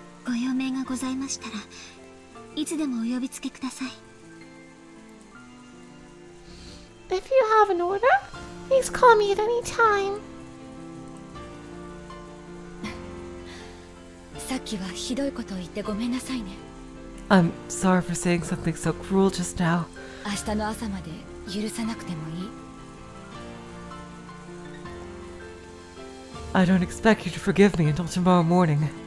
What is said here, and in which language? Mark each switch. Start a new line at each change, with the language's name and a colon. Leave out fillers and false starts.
Japanese: ご用命がございましたら, いつでもお呼びつけください.
English: If you have an order, please call me at any time.
Japanese: さっきはひどいことを言ってごめんなさいね.
English: I'm sorry for saying something so cruel just now.
Japanese: 明日の朝まで許さなくてもいい.
English: I don't expect you to forgive me until tomorrow morning.